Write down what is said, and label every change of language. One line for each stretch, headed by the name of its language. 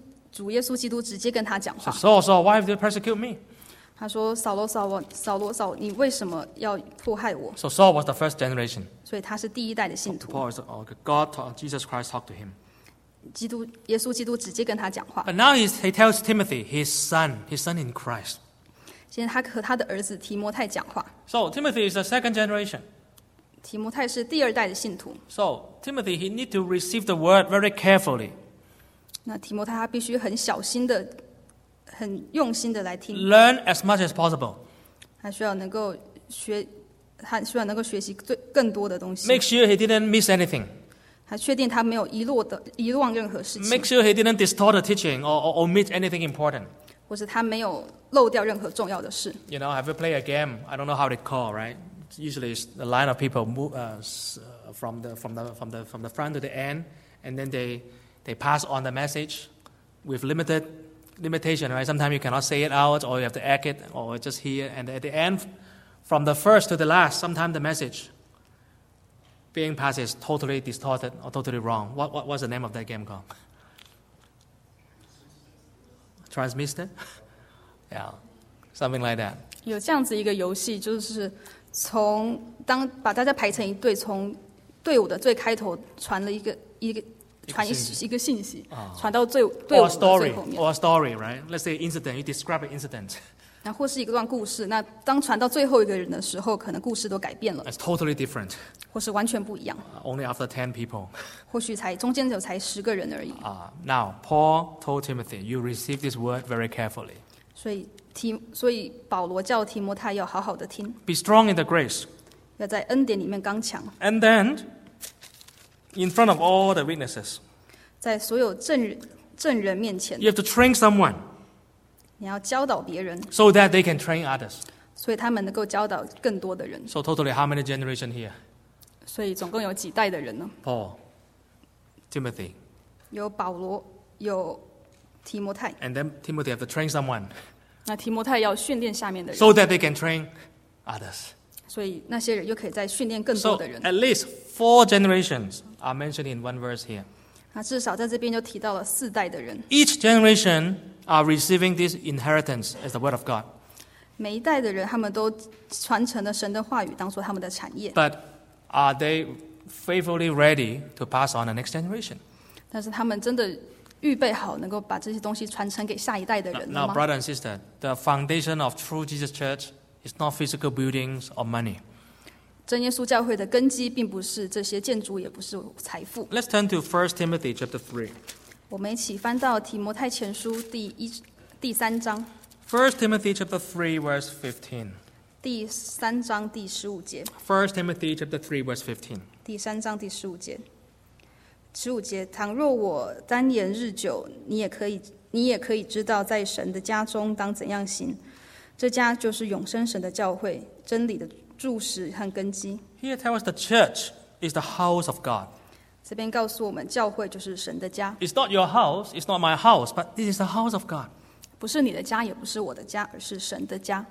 Chinese: 主耶稣基督直接跟他讲话。
English: Saul, why have you persecuted me?
Chinese: 他说：“扫罗，你为什么要迫害我？”
English: So Saul was the first generation.
Chinese: 所以他是第一代的信徒。
English: Paul is God. Jesus Christ talked to him.
Chinese: 耶稣基督直接跟他讲话。
English: But now he tells Timothy, his son in Christ.
Chinese: 现在他和他的儿子提摩太讲话。
English: So Timothy is the second generation.
Chinese: 提摩太是第二代的信徒。
English: So Timothy, he need to receive the word very carefully.
Chinese: 那提摩太他必须很小心的、很用心的来听。
English: Learn as much as possible.
Chinese: 他需要能够学，他需要能够学习最更多的东西。
English: Make sure he didn't miss anything.
Chinese: 他确定他没有遗忘任何事情。
English: Make sure he didn't distort the teaching or omit anything important.
Chinese: 或是他没有漏掉任何重要的事。
English: You know, have you played a game? I don't know how they call, right? Usually, it's a line of people move from the front to the end, and then they pass on the message with limitation, right? Sometimes you cannot say it out, or you have to act it, or just hear. And at the end, from the first to the last, sometimes the message being passed is totally distorted or totally wrong. What was the name of that game called? Transmitter? Yeah, something like that.
Chinese: 有这样子一个游戏，就是从当把大家排成一队，从队伍的最开头传了一个。传一个信息，传到最队伍的最后面。
English: Or a story, right? Let's say incident. You describe an incident.
Chinese: 那或是一段故事，那当传到最后一个人的时候，可能故事都改变了。
English: It's totally different.
Chinese: 或是完全不一样。
English: Only after 10 people.
Chinese: 或许才中间有才十个人而已。
English: Now Paul told Timothy, you receive this word very carefully.
Chinese: 所以保罗叫提摩太要好好的听。
English: Be strong in the grace.
Chinese: 要在恩典里面刚强。
English: And then, in front of all the witnesses.
Chinese: 在所有证人面前。
English: You have to train someone.
Chinese: 你要教导别人
English: so that they can train others.
Chinese: 所以他们能够教导更多的人。
English: So totally, how many generation here?
Chinese: 所以总共有几代的人呢？
English: Paul, Timothy.
Chinese: 有保罗，有提摩太。
English: And then Timothy have to train someone.
Chinese: 那提摩太要训练下面的人。
English: So that they can train others.
Chinese: 所以那些人又可以再训练更多的人。
English: So at least four generations are mentioned in one verse here.
Chinese: 那至少在这边就提到了四代的人。
English: Each generation. Are receiving this inheritance as the word of God.
Chinese: 每一代的人，他们都传承了神的话语，当作他们的产业。
English: But are they faithfully ready to pass on the next generation?
Chinese: 但是他们真的预备好能够把这些东西传承给下一代的人吗？
English: Now, brother and sister, the foundation of true Jesus Church is not physical buildings or money.
Chinese: 真耶稣教会的根基并不是这些建筑，也不是财富。
English: Let's turn to 1 Timothy chapter 3.
Chinese: 我们一起翻到提摩太前书第三章。
English: First Timothy chapter 3 verse 15.
Chinese: 第三章第十五节。
English: First Timothy chapter 3 verse 15.
Chinese: 第三章第十五节。十五节，倘若我单言日久，你也可以知道在神的家中当怎样行。这家就是永生神的教会，真理的柱石和根基。
English: Here tells us the church is the house of God.
Chinese: 这边告诉我们，教会就是神的家。
English: It's not your house, it's not my house, but this is the house of God.
Chinese: 不是你的家，也不是我的家，而是神的家。